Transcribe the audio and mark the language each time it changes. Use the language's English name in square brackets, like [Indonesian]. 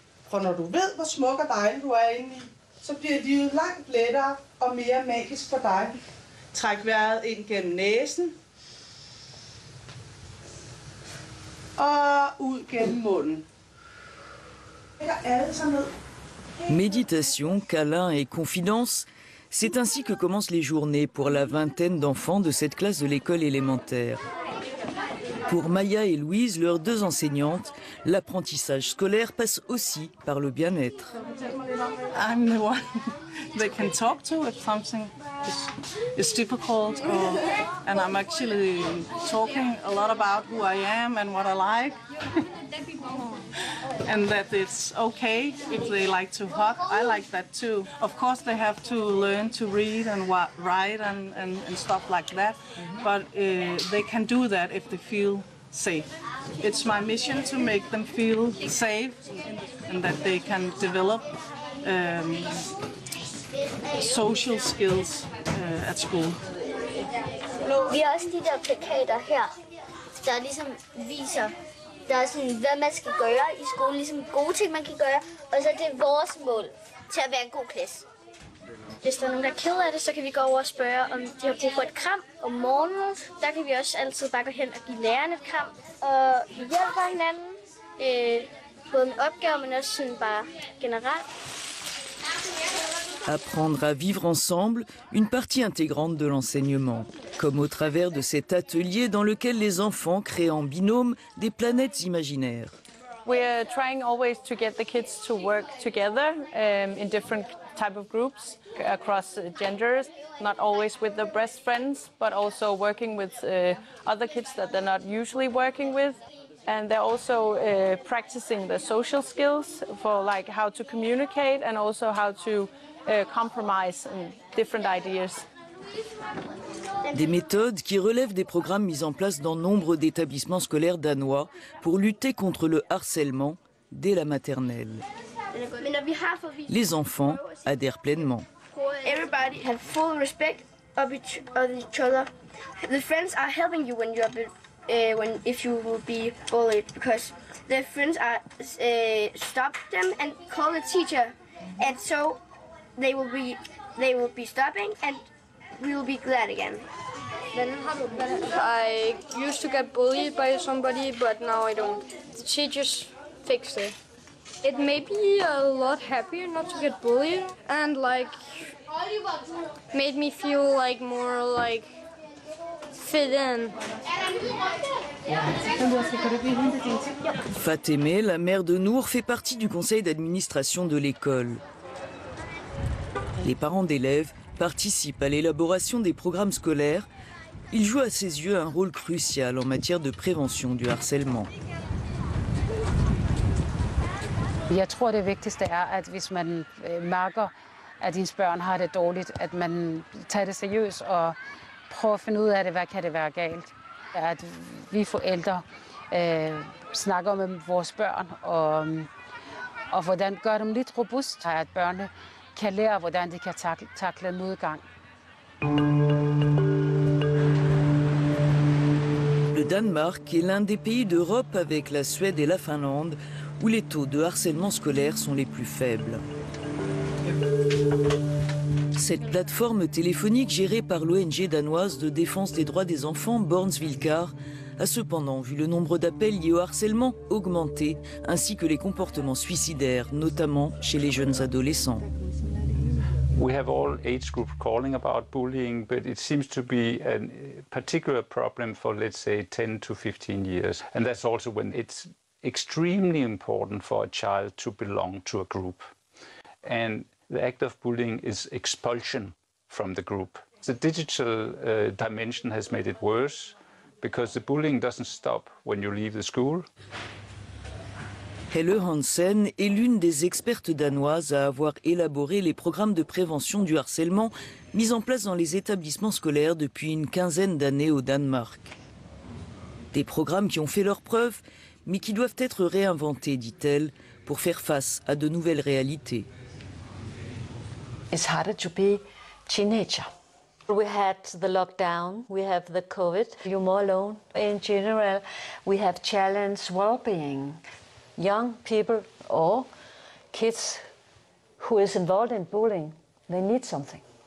[Danish] For når du ved, hvor smuk og dejlig du er inde i, så bliver livet langt lettere og mere magisk for dig. Træk vejret ind gennem næsen og ud gennem munden. Lægger alle sig ned. [French] Méditation, câlin et confidence, c'est ainsi que commencent les journées pour la vingtaine d'enfants de cette classe de l'école élémentaire. Pour Maya et Louise, leurs deux enseignantes, l'apprentissage scolaire passe aussi par le bien-être. [English] I'm the one they can talk to if something is difficult, and I'm actually talking a lot about who I am and what I like. And that it's okay if they like to hug. I like that too. Of course, they have to learn to read and write and stuff like that. Mm-hmm. But they can do that if they feel safe. It's my mission to make them feel safe and that they can develop social skills at school. [Danish] Vi har også de der plakater her, der ligesom viser. Der er sådan, hvad man skal gøre i skolen, ligesom gode ting, man kan gøre. Og så er det vores mål til at være en god klasse. Hvis der er nogen, der er ked af det, så kan vi gå over og spørge, om de har brug for et kram om morgenen. Der kan vi også altid bare gå hen og give læreren et kram. Og vi hjælper hinanden, både med opgaver, men også sådan bare generelt. [French] Apprendre à vivre ensemble, une partie intégrante de l'enseignement. Comme au travers de cet atelier dans lequel les enfants créent en binôme des planètes imaginaires. [English] We are trying always to get the kids to work together in different type of groups across genders, not always with the best friends, but also working with other kids that they're not usually working with. And they're also practicing the social skills for like how to communicate and also how to compromise and different ideas. [French] Des méthodes qui relèvent des programmes mis en place dans nombre d'établissements scolaires danois pour lutter contre le harcèlement dès la maternelle. Les enfants adhèrent pleinement. [English] Everybody has full respect of each other. The friends are helping you when you are if you will be bullied, because their friends are stopped them and call the teacher, and so they will be stopping, and we will be glad again. I used to get bullied by somebody, but now I don't. The teachers fixed it. It made me a lot happier not to get bullied, and like made me feel like more like fit in. [French] Fatemé, la mère de Nour, fait partie du conseil d'administration de l'école. Les parents d'élèves participent à l'élaboration des programmes scolaires. Il joue à ses yeux un rôle crucial en matière de prévention du harcèlement. [Danish] Jeg tror det vigtigste er at hvis man mærker at ens børn har det dårligt, at man tager det seriøst og prøver at finde ud af det, hvad kan det være galt. At vi forældre snakker med vores børn og hvordan gør dem lidt robust, at børnene kan lære hvordan de kan takle modgang. [French] Le Danemark est l'un des pays d'Europe avec la Suède et la Finlande où les taux de harcèlement scolaire sont les plus faibles. Cette plateforme téléphonique gérée par l'ONG danoise de défense des droits des enfants, Børnevilkår, a cependant vu le nombre d'appels liés au harcèlement augmenter, ainsi que les comportements suicidaires, notamment chez les jeunes adolescents. [English] We have all age groups calling about bullying, but it seems to be a particular problem for, let's say, 10 to 15 years. And that's also when it's extremely important for a child to belong to a group. And the act of bullying is expulsion from the group. The digital dimension has made it worse because the bullying doesn't stop when you leave the school. [French] Helle Hansen est l'une des expertes danoises à avoir élaboré les programmes de prévention du harcèlement mis en place dans les établissements scolaires depuis une quinzaine d'années au Danemark. Des programmes qui ont fait leurs preuves, mais qui doivent être réinventés, dit-elle, pour faire face à de nouvelles réalités. [English] It's harder to be a teenager. We had the lockdown, we have the COVID, you're more alone. In general, we have challenged well-being. Young people or kids who is involved in bullying, they need something.